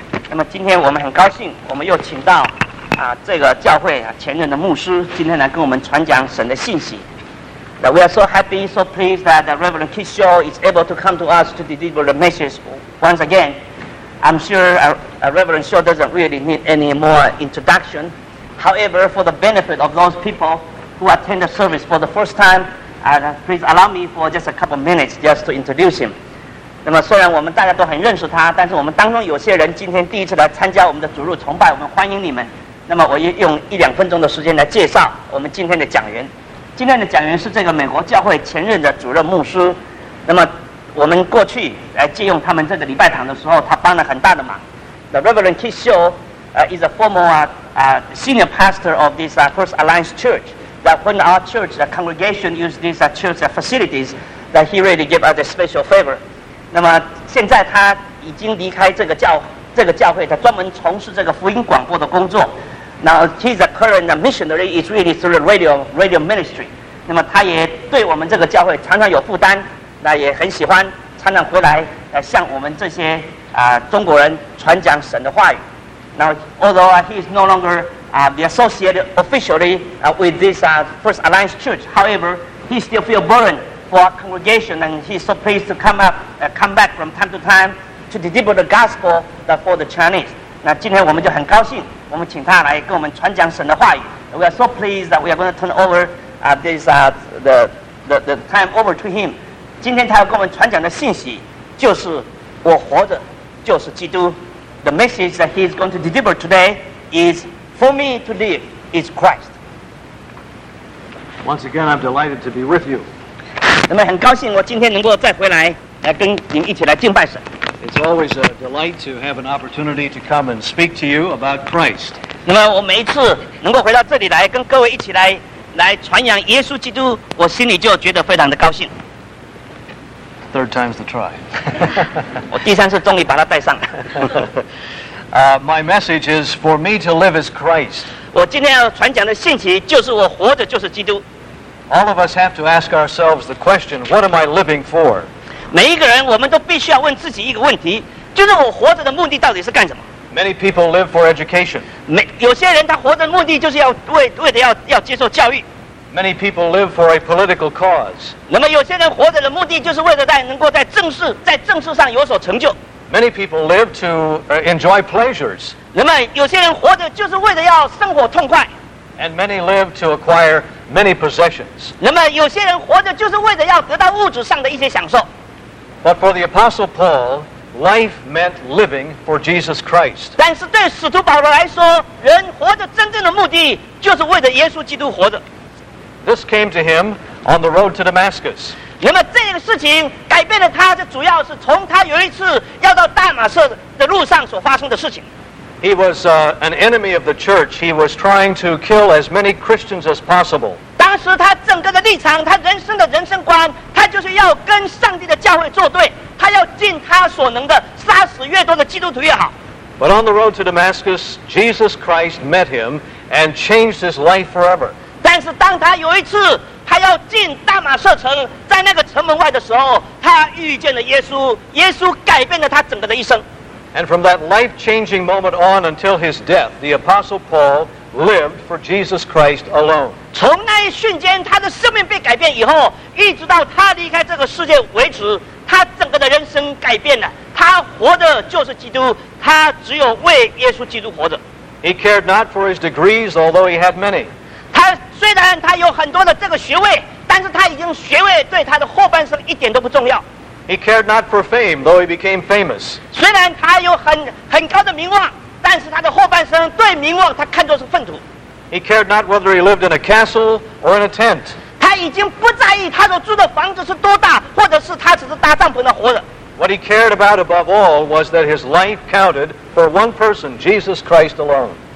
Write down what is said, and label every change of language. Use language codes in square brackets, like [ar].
[zh] 那么今天我们很高兴，我们又请到啊这个教会啊前任的牧师今天来跟我们传讲神的信息。 [en] That we are so happy, so pleased that the Reverend Kisho is able to come to us to deliver the message once again. I'm sure Reverend Kisho doesn't really need any more introduction. However, for the benefit of those people who attend the service for the first time, please allow me for just a couple minutes just to introduce him. [zh] 那么虽然我们大家都很认识他，但是我们当中有些人今天第一次来参加我们的主日崇拜，我们欢迎你们。那么我也用一两分钟的时间来介绍我们今天的讲员。今天的讲员是这个美国教会前任的主任牧师。那么我们过去来借用他们这个礼拜堂的时候，他帮了很大的忙。 [en] The Reverend Kisho is a former senior pastor of this First Alliance Church. That when our church, the congregation used this church facilities, that he really gave us a special favor. [zh] 那么现在他已经离开这个教会，他专门从事这个福音广播的工作。 [en] Now he's a current missionary is really through the radio ministry. [zh] 那么他也对我们这个教会常常有负担，那也很喜欢常常回来向我们这些中国人传讲神的话语。 [en] Now although he is no longer the associate officially with this First Alliance Church, however, he still feel burdened. For our congregation, and he's so pleased to come back from time to time to deliver the gospel for the Chinese. [zh] 那今天我们就很高兴，我们请他来跟我们传讲神的话语。 [en] We are so pleased that we are going to turn over the time over to him. [zh] 今天他要跟我们传讲的信息就是我活着就是基督。 [en] The message that he is going to deliver today is for me to live is Christ. Once again, I'm delighted to be with you. [zh] 那么很高兴我今天能够再回来来跟您一起来敬拜神。 [en] It's always a delight to have an opportunity to come and speak to you about Christ. [zh] 那么我每一次能够回到这里来跟各位一起来传扬耶稣基督，我心里就觉得非常的高兴。 [en] Third time's the try. [zh] 我第三次终于把它带上了。 [en] My message is for me to live as Christ. [zh] 我今天要传讲的信息就是我活着就是基督。 [en] All of us have to ask ourselves the question, what am I living for? [zh] 每一个人我们都必须要问自己一个问题，就是我活着的目的到底是干什么？ [en] Many people live for education. [zh] 有些人他活着的目的就是要为了要接受教育。 [en] Many people live for a political cause. [zh] 那么有些人活着的目的就是为了能够在政事上有所成就。 [en] Many people live to enjoy pleasures. [zh] 那么有些人活着就是为了要生活痛快。 [en] And many live to acquire many possessions. [zh] 那么有些人活着就是为了要得到物质上的一些享受。 [en] But for the Apostle Paul, life meant living for Jesus Christ. [zh] 但是对使徒保罗来说，人活着真正的目的就是为了耶稣基督活着。 [en] This came to him on the road to Damascus. [zh] 那么这个事情改变了他，这主要是从他有一次要到大马色的路上所发生的事情。 [en] He was an enemy of the church. He was trying to kill as many Christians as possible. [zh] 当时他整个的立场，他人生的人生观，他就是要跟上帝的教会作对，他要尽他所能的杀死越多的基督徒越好。 [en] But on the road to Damascus, Jesus Christ met him and changed his life forever. [zh] 但是当他有一次他要进大马色城，在那个城门外的时候，他遇见了耶稣，耶稣改变了他整个的一生。 [en] And from that life-changing moment on until his death, the Apostle Paul lived for Jesus Christ alone. [zh] 从那一瞬间，他的生命被改变以后，一直到他离开这个世界为止，他整个的人生改变了。他活的就是基督，他只有为耶稣基督活着。 [en] He cared not for his degrees, although he had many. [zh] 他虽然他有很多的这个学位，但是他已经学位对他的后半生一点都不重要。 [en] He cared not for fame, though he became famous. [zh] 虽然他有很高的名望。但是他的后半生对名望，他看作是粪土。 [en] He cared not whether he lived in a castle or in a tent. [zh] 他已经不在意他所住的房子是多大，或者是他只是搭帐篷的活着。 [en] What he cared about above all was that his life counted for one person, Jesus Christ alone.